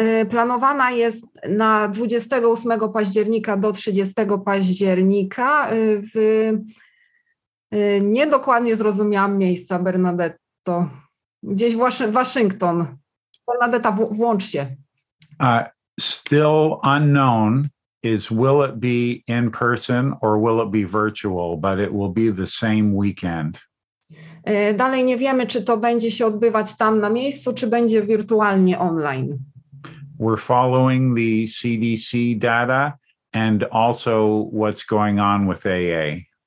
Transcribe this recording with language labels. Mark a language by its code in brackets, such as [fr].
[pl] Planowana jest na 28 października do 30 października w niedokładnie zrozumiałam miejsca, Bernadetto. Gdzieś w Waszyngton. Bernadetta, włącz się. [en] Still unknown is will it be in person or will it be virtual, but it will be the same weekend. [pl] Dalej nie wiemy, czy to będzie się odbywać tam na miejscu, czy będzie wirtualnie online. [en] We're following the CDC data and also what's going on with AA.